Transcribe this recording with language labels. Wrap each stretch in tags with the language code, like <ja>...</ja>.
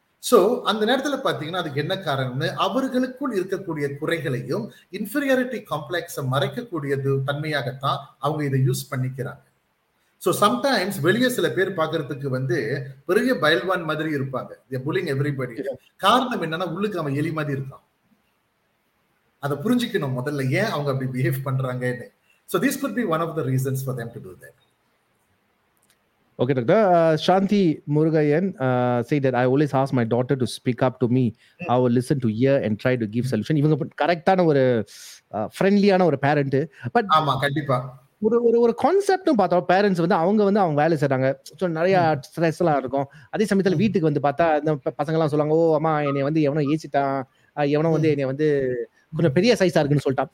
<ta>So அந்த நேரத்தில் பார்த்தீங்கன்னா அதுக்கு என்ன காரணம்னு அவர்களுக்குள் இருக்கக்கூடிய குறைகளையும் இன்ஃபீரியாரிட்டி காம்ப்ளெக்ஸை மறைக்கக்கூடியது தன்மையாகத்தான் அவங்க இதை யூஸ் பண்ணிக்கிறாங்க. ஸோ சம்டைம்ஸ் வெளியே சில பேர் பார்க்கறதுக்கு வந்து பெரிய பயல்வான் மாதிரி இருப்பாங்க,</ta> <en>They bullying everybody.</en> <ta>காரணம் என்னன்னா உள்ளுக்கு அவன் எலி மாதிரி இருக்கான். அதை புரிஞ்சிக்கணும் முதல்ல, ஏன் அவங்க அப்படி பிஹேவ் பண்றாங்கன்னு.</ta> <en>So this could be one of the reasons for them to do that. Okay doctor, Shanti Murugayan said that I always ask my daughter to speak up to me. I will listen to hear and try to give solution.</en> <ta>இவங்க கரெக்டான ஒரு ஃப்ரெண்ட்லியான ஒரு parent. But ஆமா கண்டிப்பா ஒரு ஒரு கான்செப்டும் பார்த்தா parents வந்து அவங்க வந்து அவங்க வேலை செய்றாங்க, ஸோ நிறைய ஸ்ட்ரெஸ் எல்லாம் இருக்கும். அதே சமயத்துல வீட்டுக்கு வந்து பார்த்தா அந்த பசங்கலாம் சொல்லுவாங்க, ஓ அம்மா என்னை வந்து எவனோ ஏசிட்டான், எவனோ வந்து என்னை வந்து கொஞ்சம் பெரிய சைஸா இருக்குன்னு சொல்லிட்டான்.</ta>